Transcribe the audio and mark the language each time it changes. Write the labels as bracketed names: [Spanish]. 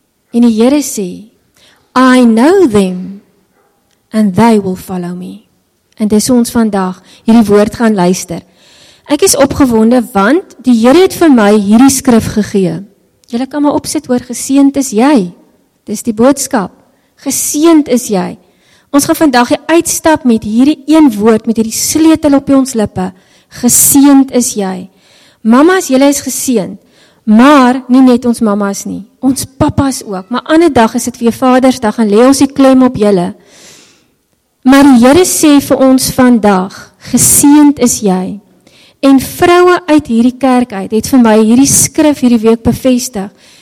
[Afrikaans] En die Here sê, [English] I know them and they will follow me. [Afrikaans] En dis ons vandag hierdie woord gaan luister. Ek is opgewonde want die Here het vir my hierdie skrif gegee. Julle kan maar opsit hoor, geseend is jy. Dis die boodskap. Geseend is jy. Ons gaan vandag hier uitstap met hierdie een woord, met hierdie sleutel op ons lippe. Geseend is jy. Mamas, julle is geseend. Maar nie net ons mamas nie. Ons papas ook. Maar ander dag is dit weer Vadersdag en lê ons die klem op julle. Maar die Here sê vir ons vandag, geseend is jy. En vroue uit hierdie kerk uit het vir my hierdie skrif hierdie week bevestig.